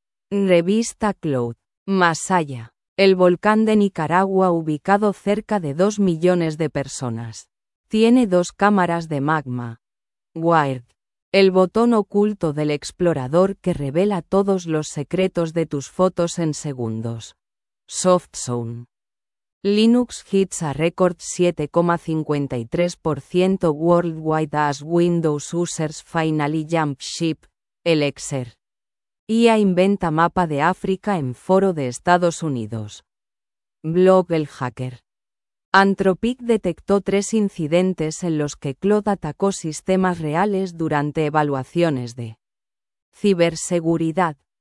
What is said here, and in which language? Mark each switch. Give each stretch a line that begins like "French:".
Spanish: Revista Cloud. Masaya. El volcán de Nicaragua ubicado cerca de 2 millones de personas. Tiene dos cámaras de magma. Wired. El botón oculto del explorador que revela todos los secretos de tus fotos en segundos. SoftZone.
English: Linux hits a record 7.53% worldwide as Windows users finally jump ship, Elixir.
Spanish: IA inventa mapa de África en foro de Estados Unidos. Blog El Hacker. Anthropic detectó tres incidentes en los que Claude atacó sistemas reales durante evaluaciones de ciberseguridad.